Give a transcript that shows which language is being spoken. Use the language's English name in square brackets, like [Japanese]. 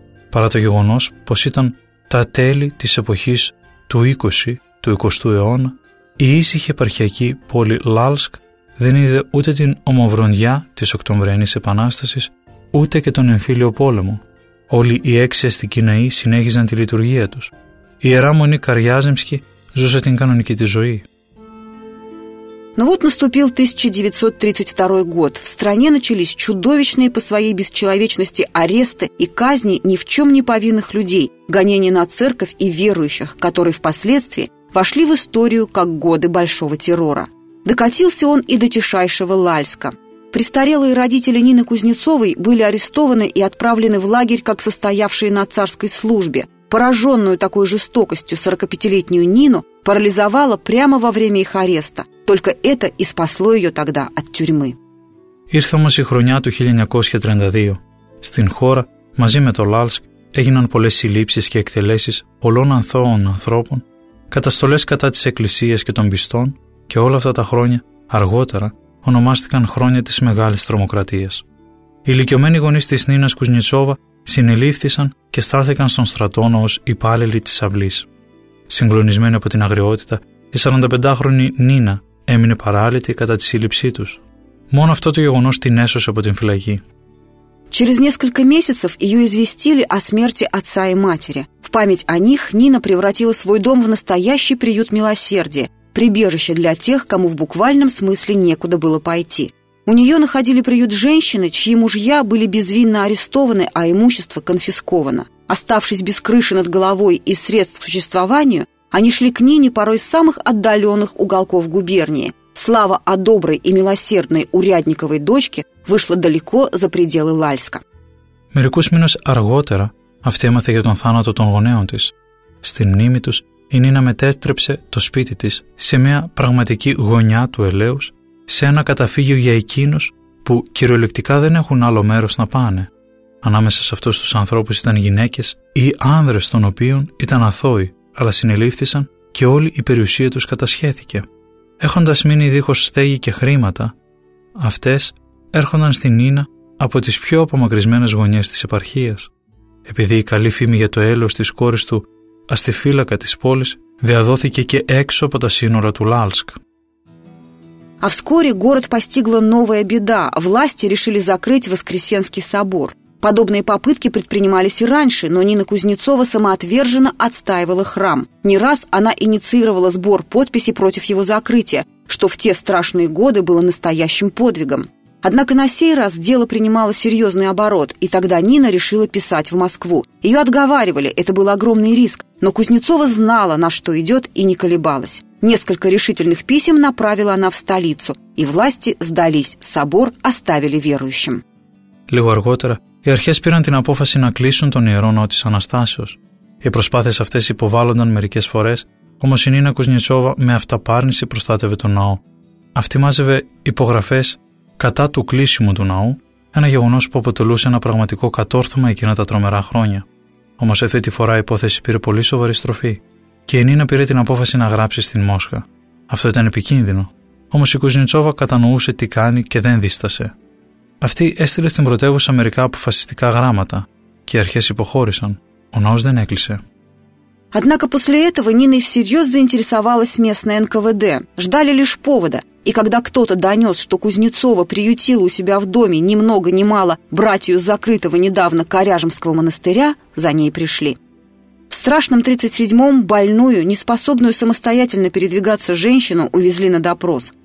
[Greek] Παρά το γεγονός πως ήταν τα τέλη της εποχής του 20 του 20ου αιώνα, η ήσυχη επαρχιακή πόλη Λάλσκ δεν είδε ούτε την ομοβροντιά της Οκτωβριανής Επανάστασης, ούτε και τον εμφύλιο πόλεμο. Όλοι οι έξι αστικοί ναοί συνέχιζαν τη λειτουργία τους. Η Ιερά Μονή Καριάζεμσκη ζούσε την κανονική της ζωή. [Russian] Но вот наступил 1932 год. В стране начались чудовищные по своей бесчеловечности аресты и казни ни в чем не повинных людей, гонения на церковь и верующих, которые впоследствии вошли в историю как годы большого террора. Докатился он и до тишайшего Лальска. Престарелые родители Нины Кузнецовой были арестованы и отправлены в лагерь, как состоявшие на царской службе. Пораженную такой жестокостью 45-летнюю Нину парализовала прямо во время их ареста. Только это и спасло ее тогда от тюрьмы. [Greek] Ήρθε όμως η χρονιά του 1932. Στην χώρα, μαζί με το Λάλσκ, έγιναν πολλές συλλήψεις και εκτελέσεις πολλών ανθώων ανθρώπων, καταστολές κατά της Εκκλησίας και των πιστών και όλα αυτά τα χρόνια, αργότερα, ονομάστηκαν χρόνια της μεγάλης τρομοκρατίας. Οι ηλικιωμένοι γονείς της Νίνας Κουζνιτσόβα συνελήφθησαν και στάλθηκαν στον στρατόνο ως υπάλληλοι της αυλής. Συγκλονισμένοι από την αγριότητα, η 45χρονη Νίνα έμεινε παράλυτη κατά τη σύλληψή τους. Μόνο αυτό το γεγονός την έσωσε από την φυλακή. [Russian] Через несколько месяцев ее известили о смерти отца и матери. В память о них Нина превратила свой дом в настоящий приют милосердия, прибежище для тех, кому в буквальном смысле некуда было пойти. У нее находили приют женщины, чьи мужья были безвинно арестованы, а имущество конфисковано. Оставшись без крыши над головой и средств к существованию, они шли к Нине порой с самых отдаленных уголков губернии. Слава о доброй и милосердной урядниковой дочке вышла далеко за пределы Лальска. [Greek] Мерикус минус арготера αυτή έμαθε για τον θάνατο των γονέων της. Στην μνήμη τους, η Νίνα μετέτρεψε το σπίτι της σε μια πραγματική γωνιά του ελαίους, σε ένα καταφύγιο για εκείνους που κυριολεκτικά δεν έχουν άλλο μέρος να πάνε. Ανάμεσα σε αυτούς τους ανθρώπους ήταν γυναίκες ή άνδρες των οποίων ήταν αθώοι, αλλά συνελήφθησαν και όλη η περιουσία τους κατασχέθηκε. Έχοντας μείνει δίχως στέγη και χρήματα, αυτές έρχονταν στην Νίνα από τις πιο απομακρυσμένες γωνιές της επαρχίας. Επειδή η καλή φήμη για το έλεος της κόρης του αστιφύλακα της πόλης διαδόθηκε και έξω από τα σύνορα του Λάλσκ. [Russian] А вскоре город постигла новая беда. Власти решили закрыть Воскресенский собор. Подобные попытки предпринимались и раньше, но Нина Кузнецова самоотверженно отстаивала храм. Не раз она инициировала сбор подписей против его закрытия, что в те страшные годы было настоящим подвигом. Однако на сей раз дело принимало серьезный оборот, и тогда Нина решила писать в Москву. Ее отговаривали, это был огромный риск, но Кузнецова знала, на что идет, и не колебалась. Несколько решительных писем направила она в столицу, и власти сдались, собор оставили верующим. [Greek] Λίγο αργότερα, οι αρχές πήραν την απόφαση να κλείσουν τον Ιερό Ναό της Αναστάσεως. Οι προσπάθειες αυτές υποβάλλονταν μερικές φορές, όμως η Νίνα Κουζνιτσόβα με αυταπάρνηση προστάτευε τον ναό. Αυτή μάζευε υπογραφές κατά του κλείσιμου του ναού, ένα γεγονός που αποτελούσε ένα πραγματικό κατόρθωμα εκείνα τα τρομερά χρόνια. Όμως αυτή τη φορά η υπόθεση πήρε πολύ σοβαρή στροφή και η Νίνα πήρε την απόφαση να γράψει στην Μόσχα. Αυτό ήταν επικίνδυνο. Όμως η Κουζνιτσόβα κατανοούσε τι κάνει και δεν δίστασε. Αυτή έστειλε στην πρωτεύουσα μερικά αποφασιστικά γράμματα και οι αρχές υποχώρησαν. Ο ναός δεν έκλεισε. [Russian] Однако после этого Нина всерьез заинтересовалась местной НКВД. Ждали лишь повода. И когда кто-то донес, что Кузнецова приютила у себя в доме ни много ни мало братью закрытого недавно Коряжемского монастыря, за ней пришли. В страшном 37-м больную, неспособную самостоятельно передвигаться женщину увезли на допрос.